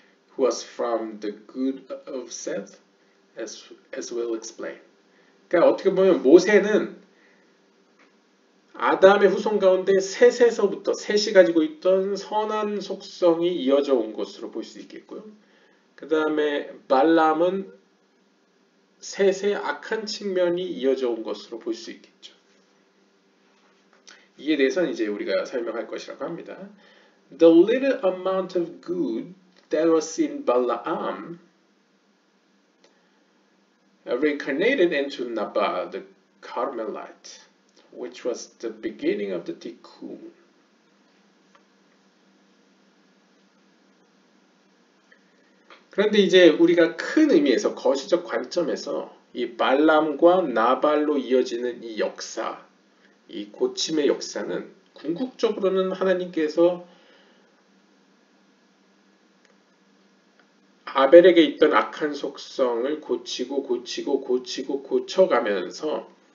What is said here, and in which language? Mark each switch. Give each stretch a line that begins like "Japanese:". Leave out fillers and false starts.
English: Who was from the good of Seth, as we'll explain.
Korean: 그러니까 어떻게 보면 모세는 아담의 후손 가운데 셋에서부터 셋이 가지고 있던 선한 속성이 이어져 온 것으로 볼 수 있겠고요. 그 다음에 발람은 셋의 악한 측면이 이어져 온 것으로 볼 수 있겠죠. 이에 대해서는 이제 우리가 설명할 것이라고 합니다.
English: The little amount of good that was in Balaam reincarnated into Nabal, the Carmelite, which was the beginning of the Tikkun.
Korean: 그런데 이제 우리가 큰 의미에서 거시적 관점에서 이 발람과 나발로 이어지는 이 역사, 이 고침의 역사는 궁극적으로는 하나님께서 아벨에게 있던 악한 속성을 고치고 고치고 고치고 고쳐가면서